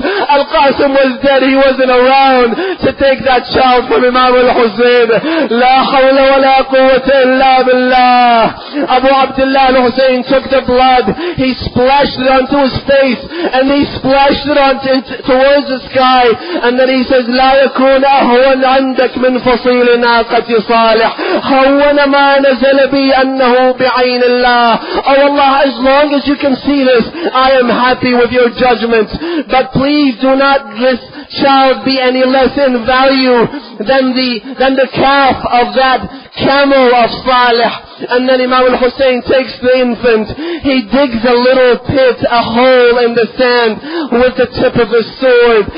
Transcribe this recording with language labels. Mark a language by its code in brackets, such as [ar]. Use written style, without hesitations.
[en] Al-Qasim was dead. He wasn't around to take that child from Imam al-Hussein. [ar] La hawla wa la quwwata illa billah. [en] Abu Abdullah al-Hussein took the blood. He splashed it onto his face and he splashed it onto towards the sky. And then he says, [ar] لا يكون أهون عندك من فصيل ناقة صالح هون ما نزل بي أنه بعين الله. [en] Oh Allah, as long as you can see this, I am happy with your judgment. But please do not this child be any less in value than the calf of that camel of Salih. And then Imam al-Hussein takes the infant. He digs a little pit, a hole in the sand with the tip of his sword.